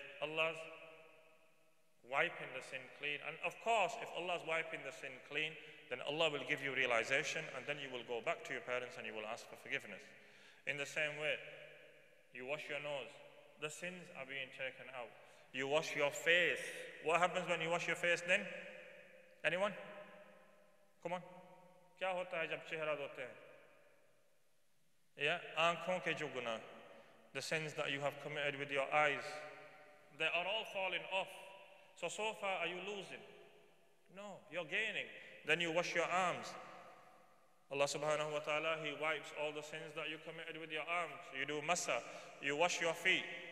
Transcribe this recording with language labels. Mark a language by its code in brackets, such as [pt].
[en] Allah's wiping the sin clean. And of course, if Allah's wiping the sin clean, then Allah will give you realization, and then you will go back to your parents and you will ask for forgiveness. In the same way, you wash your nose, the sins are being taken out. You wash your face. What happens when you wash your face then? Anyone? Come on. [ur] کیا ہوتا ہے جب چہرہ دھوتے ہیں؟ [en] Yeah? [ur] Aankhon ke jo guna, [en] the sins that you have committed with your eyes, they are all falling off. So far, are you losing? No, you're gaining. Then you wash your arms. Allah subhanahu wa ta'ala, He wipes all the sins that you committed with your arms. You do masa. You wash your feet.